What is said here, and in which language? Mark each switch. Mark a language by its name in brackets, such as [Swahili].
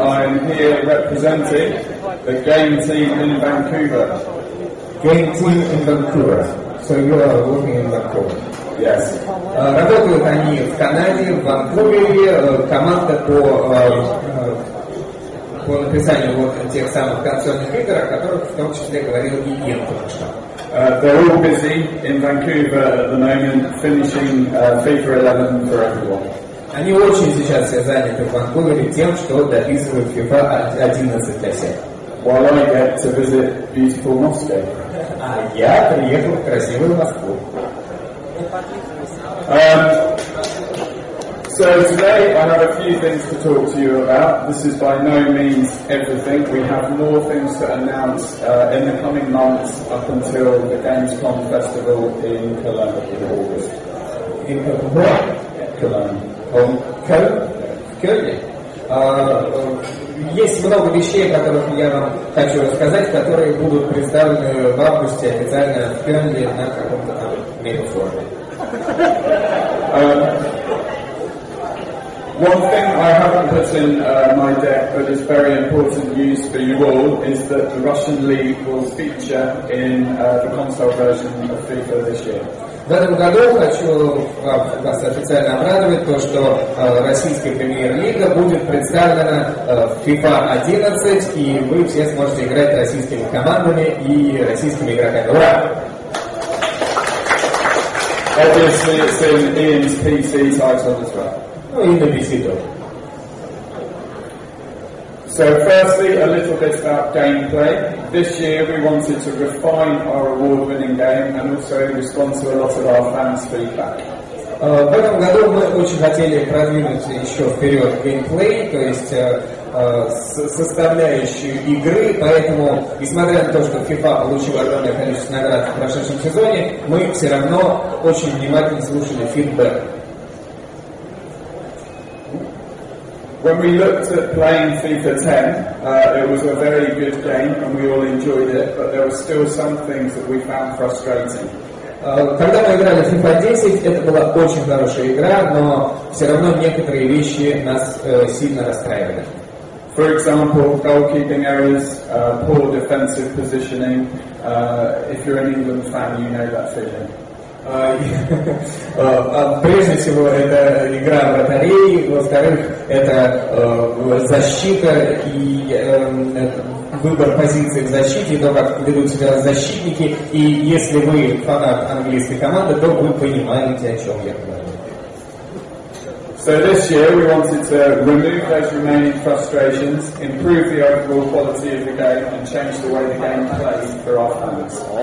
[English] I'm here representing the game team in Vancouver. Game team in Vancouver. So you are working in Vancouver. Yes. [Russian] Работают они в Канаде, в Ванкувере, команда по написанию вот тех самых консольных игр, о которых в том числе говорил и Ян только что. [English] They're all busy in Vancouver at the moment, finishing FIFA 11 for everyone. [Russian] Они очень сейчас все заняты в Ванкувере тем, что дописывают FIFA 11 для всех. [English] While I get to visit beautiful Moscow. [Russian] А я приехал в красивую Москву. [English] So today I have a few things to talk to you about. This is by no means everything. We have more things to announce in the coming months up until the Gamescom Festival in Cologne in August. In what? Cologne. Cologne? Cologne. Cologne. [Russian] Есть много вещей, о которых я вам хочу рассказать, которые будут представлены в августе официально в Кёльне на каком-то там мейл-форуме. [English] One thing I haven't put in my deck, but is very important news for you all, is that the Russian League will feature in the console version of FIFA this year. [Russian] В этом году хочу вас официально обрадовать то, что российская премьер-лига будет представлена в FIFA 11, и вы все сможете играть российскими командами и российскими игроками. Ура! [English] Obviously, it's in Ian's PC title as well. [Russian] Ну и на PC тоже. [English] So firstly, a little bit about gameplay. This year we wanted to refine our award-winning game and also respond to a lot of our fans' feedback. [Russian] В этом году мы очень хотели продвинуть еще вперед геймплей, то есть составляющую игры, поэтому, несмотря на то, что FIFA получила огромное количество наград в прошедшем сезоне, мы все равно очень внимательно слушали фидбэк. [English] When we looked at playing FIFA 10, it was a very good game and we all enjoyed it, but there were still some things that we found frustrating. [Russian] Когда мы играли в FIFA 10, это была очень хорошая игра, но все равно некоторые вещи нас сильно расстраивали. [English] For example, goalkeeping errors, poor defensive positioning. If you're an England fan, you know that feeling. [Russian] Прежде всего, это игра вратарей, во-вторых, это защита и выбор позиции в защите, то, как ведут себя защитники, и если вы фанат английской команды, то вы понимаете, о чем я говорю. [English] So this year we wanted to remove those remaining frustrations, improve the overall quality of the game, and change the way the game plays for our fans.